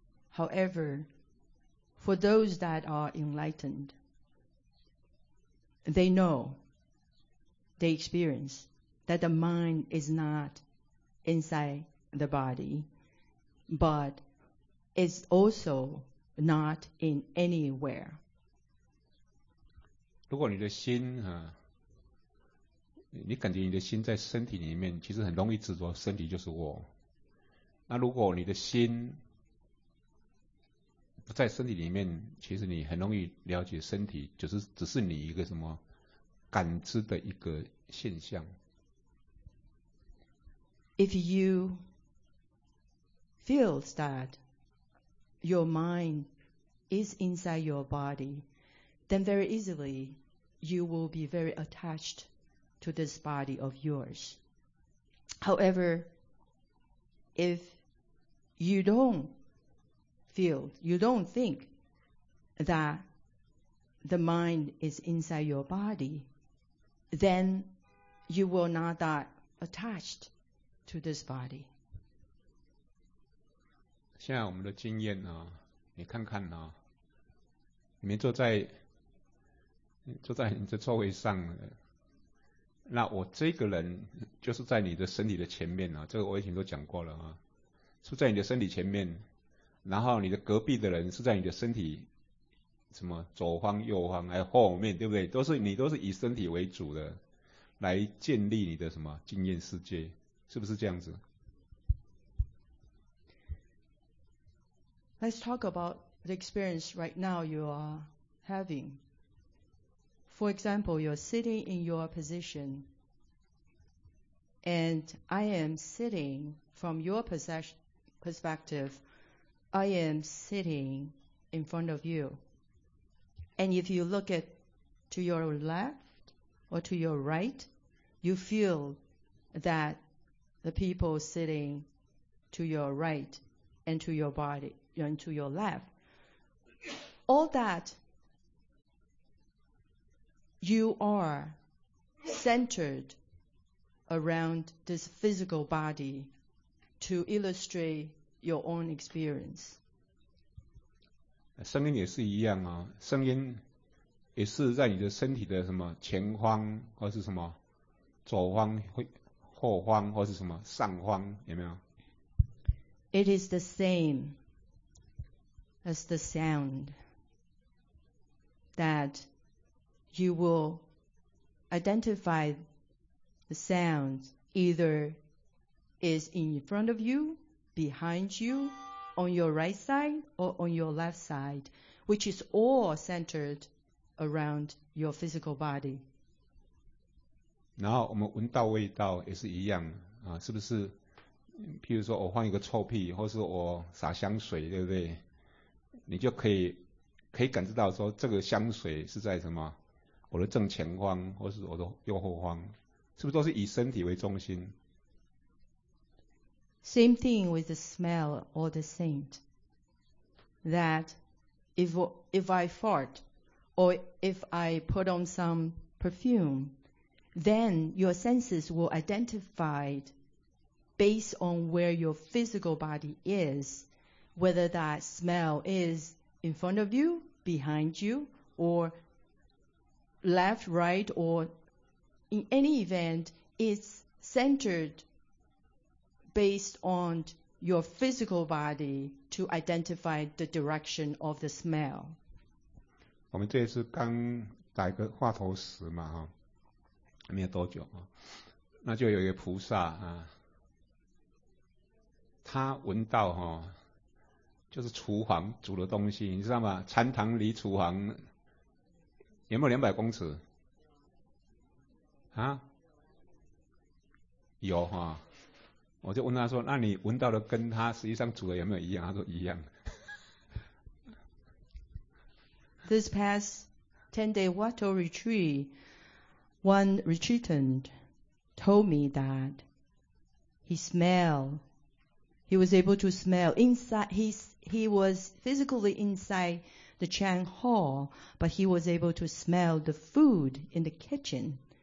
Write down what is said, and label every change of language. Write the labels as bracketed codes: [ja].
[en] However, for those that are enlightened, they know. They experience that the mind is not inside the body, but is also not in anywhere. [zh] 如果你的心、啊、你感觉你的心在身体里面，其实很容易执着身体就是我。那如果你的心不在身体里面，其实你很容易了解身体，就是只是你一个什么感知的一个现象。 [en] If you feel that your mind is inside your body, then very easily you will be very attached to this body of yours. However, if you don't feel, you don't think that the mind is inside your body,then you will not that attached to this body. [zh] 现在我们的经验、啊、你看看、啊、你们坐在你的座位上，那我这个人就是在你的身体的前面、啊、这个我以前都讲过了、啊、是在你的身体前面，然后你的隔壁的人是在你的身体什么左方右方还有后面，对不对？都是你都是以身体为主的来建立你的什么经验世界，是不是这样子？ [en] Let's talk about the experience right now you are having. For example, you're sitting in your position and I am sitting from your perspective. I am sitting in front of youAnd if you look at to your left or to your right, you feel that the people sitting to your right and to your body and to your left. All that you are centered around this physical body to illustrate your own experience. [zh] 声音也是一样啊，声音也是在你的身体的什么前方或是什么左方后方或是什么上方，有没有？ [en] It is the same as the sound that you will identify the sound either is in front of you, behind youOn your right side or on your left side, which is all centered around your physical body. [zh] 然后我们闻到味道也是一样啊，是不是？譬如说我放一个臭屁，或是我撒香水，对不对？你就可以感知到说这个香水是在什么？我的正前方，或是我的右后方，是不是都是以身体为中心？ [en] Same thing with the smell or the scent. That if I fart or if I put on some perfume, then your senses will identify based on where your physical body is, whether that smell is in front of you, behind you, or left, right, or in any event, it's centered. Based on your physical body to identify the direction of the smell. [zh] 我们这一次刚打一个话头时嘛，哈，没有多久啊，那就有一个菩萨啊，他闻到哈、哦，就是厨房煮的东西，你知道吗？禅堂离厨房有没有200公尺？啊，有哈、哦。我就问他说，那你闻到的跟他实际上煮的有没有一样？他说一样。 [en] This past 10-day Wato retreat, one retreatant told me that he was physically inside the Chang Hall, but he was able to smell the food in the kitchen.